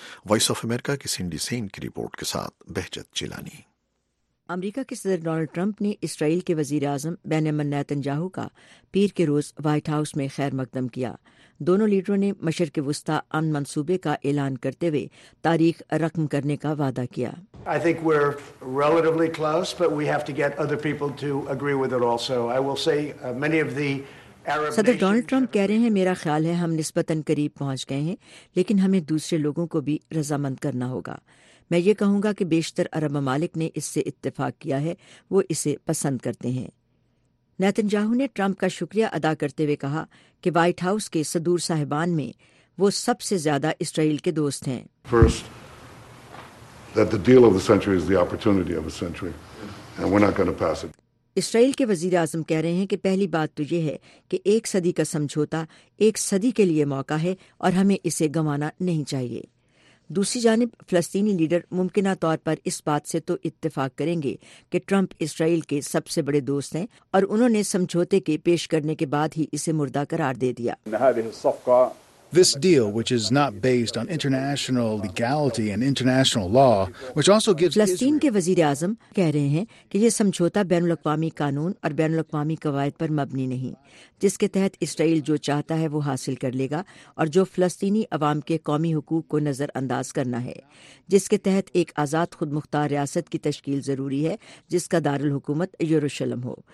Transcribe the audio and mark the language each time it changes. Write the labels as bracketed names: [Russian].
[Urdu] Voice of America کی sandy سین کی report کے ساتھ بہجت چیلانی. امریکہ کے صدر ڈونلڈ ٹرمپ نے اسرائیل کے وزیر اعظم بنیامین نتنیاہو کا پیر کے روز وائٹ ہاؤس میں خیر مقدم کیا. دونوں لیڈروں نے مشرق وسطی امن منصوبے کا اعلان کرتے ہوئے تاریخ رقم کرنے کا وعدہ کیا. [English] I think we're relatively close, but we have to get other people to agree with it also. I will say many of the Arab [Urdu] صدر ڈونلڈ ٹرمپ کہہ رہے ہیں میرا خیال ہے ہم نسبتاً قریب پہنچ گئے ہیں لیکن ہمیں دوسرے لوگوں کو بھی رضامند کرنا ہوگا. میں یہ کہوں گا کہ بیشتر عرب ممالک نے اس سے اتفاق کیا ہے, وہ اسے پسند کرتے ہیں. نتنیاہو نے ٹرمپ کا شکریہ ادا کرتے ہوئے کہا کہ وائٹ ہاؤس کے صدور صاحبان میں وہ سب سے زیادہ اسرائیل کے دوست ہیں. [English] First, that the deal of the century is the opportunity of a century, and we're not going to pass it. [Urdu] اسرائیل کے وزیر اعظم کہہ رہے ہیں کہ پہلی بات تو یہ ہے کہ ایک صدی کا سمجھوتا ایک صدی کے لیے موقع ہے اور ہمیں اسے گنوانا نہیں چاہیے. دوسری جانب فلسطینی لیڈر ممکنہ طور پر اس بات سے تو اتفاق کریں گے کہ ٹرمپ اسرائیل کے سب سے بڑے دوست ہیں اور انہوں نے سمجھوتے کے پیش کرنے کے بعد ہی اسے مردہ قرار دے دیا. [English] This deal, which is not based on international legality and international law, which also gives [Urdu] فلسطین کے وزیر اعظم کہہ رہے ہیں کہ یہ سمجھوتا بین الاقوامی قانون اور بین الاقوامی قواعد پر مبنی نہیں جس کے تحت اسرائیل جو چاہتا ہے وہ حاصل کر لے گا اور جو فلسطینی عوام کے قومی حقوق کو نظر انداز کرنا ہے, جس کے تحت ایک آزاد خود مختار ریاست کی تشکیل ضروری ہے جس کا دارالحکومت یروشلم ہو.